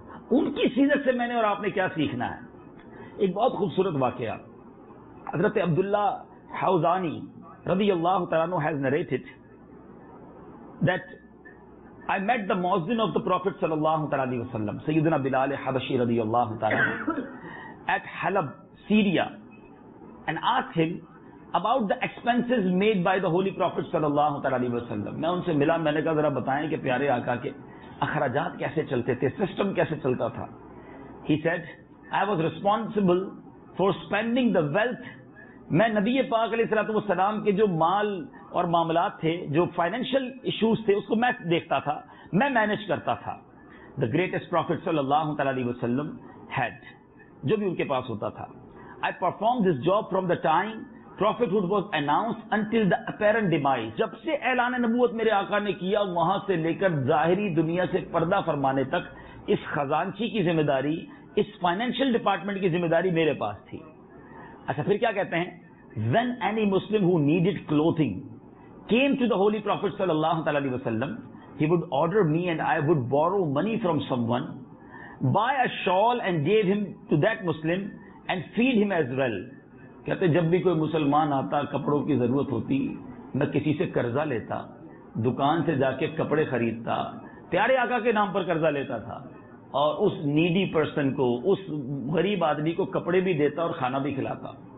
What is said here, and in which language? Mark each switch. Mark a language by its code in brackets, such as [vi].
[ur] ان کی سیرت سے میں نے اور آپ نے کیا سیکھنا ہے؟ ایک بہت خوبصورت واقعہ [en] حضرت عبداللہ حوزانی رضی اللہ تعالیٰ عنہ has narrated that I met the muezzin of the Prophet صلی اللہ تعالیٰ علیہ وسلم سیدنا بلال حبشی رضی اللہ تعالیٰ at Halab, Syria and asked him about the expenses made by the Holy Prophet صلی اللہ تعالیٰ علیہ وسلم. [ur] میں ان سے ملا, میں نے کہا ذرا بتائیں کہ پیارے آقا کے اخراجات کیسے چلتے تھے, سسٹم کیسے چلتا تھا. [en] He said I was responsible for spending the wealth. [ur] میں نبی پاک علیہ الصلوۃ والسلام کے جو مال اور معاملات تھے, جو فائنینشیل ایشوز تھے, اس کو میں دیکھتا تھا, میں مینج کرتا تھا. [en] The greatest prophet [ur] صلی اللہ تعالیٰ علیہ وسلم [en] had [ur] جو بھی ان کے پاس ہوتا تھا. [en] I performed this job from the time prophethood was announced until the apparent demise. [ur] جب سے اعلان نبوت میرے آقا نے کیا وہاں سے لے کر ظاہری دنیا سے پردہ فرمانے تک, اس خزانچی کی ذمہ داری, اس فائنینشیل ڈپارٹمنٹ کی ذمہ داری میرے پاس تھی. اچھا پھر کیا کہتے ہیں, [en] when any Muslim who needed clothing came to the Holy Prophet صلی اللہ علیہ وسلم, he would order me and I would borrow money from someone, buy a shawl and gave him to that Muslim and feed him as well. [ur] کہتے ہیں جب بھی کوئی مسلمان آتا, کپڑوں کی ضرورت ہوتی, میں کسی سے قرضہ لیتا, دکان سے جا کے کپڑے خریدتا, پیارے آقا کے نام پر قرضہ لیتا تھا, اور اس نیڈی پرسن کو, اس غریب آدمی کو کپڑے بھی دیتا اور کھانا بھی کھلاتا.